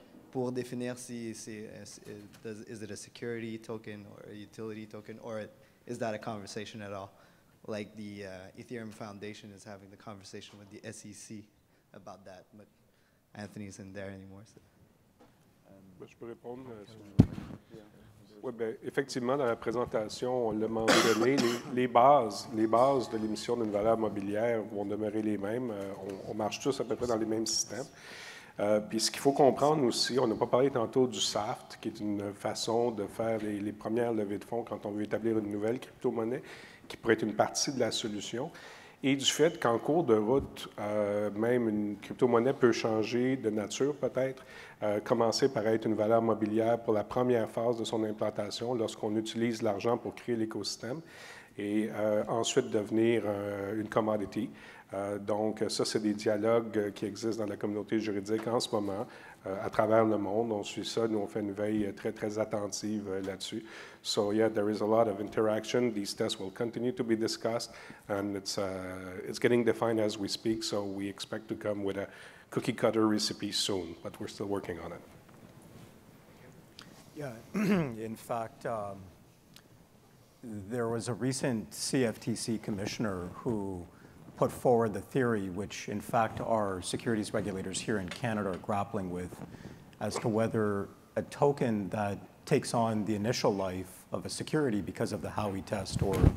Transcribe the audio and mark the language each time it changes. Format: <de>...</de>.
<fr>Pour définir si</fr> <en>is it a security token or a utility token, or is that a conversation at all? Like the Ethereum Foundation is having the conversation with the SEC about that, but Anthony isn't there anymore. So.</en> <fr>Je peux répondre. Oui, bien, effectivement, dans la présentation, on l'a mentionné, les bases de l'émission d'une valeur mobilière vont demeurer les mêmes. On marche tous à peu près dans les mêmes systèmes. Puis ce qu'il faut comprendre aussi, on n'a pas parlé tantôt du SAFT, qui est une façon de faire les premières levées de fonds quand on veut établir une nouvelle crypto-monnaie, qui pourrait être une partie de la solution, et du fait qu'en cours de route, même une crypto-monnaie peut changer de nature peut-être, commencer par être une valeur mobilière pour la première phase de son implantation lorsqu'on utilise l'argent pour créer l'écosystème, et ensuite devenir une commodity. Donc ça, c'est des dialogues qui existent dans la communauté juridique en ce moment, à travers le monde. On suit ça, nous on fait une veille très, très attentive là-dessus.</fr> <en>So yeah, there is a lot of interaction. These tests will continue to be discussed, and it's getting defined as we speak, so we expect to come with a cookie-cutter recipe soon, but we're still working on it. Yeah, in fact, there was a recent CFTC commissioner who put forward the theory, which in fact our securities regulators here in Canada are grappling with, as to whether a token that takes on the initial life of a security because of the Howey test or</en>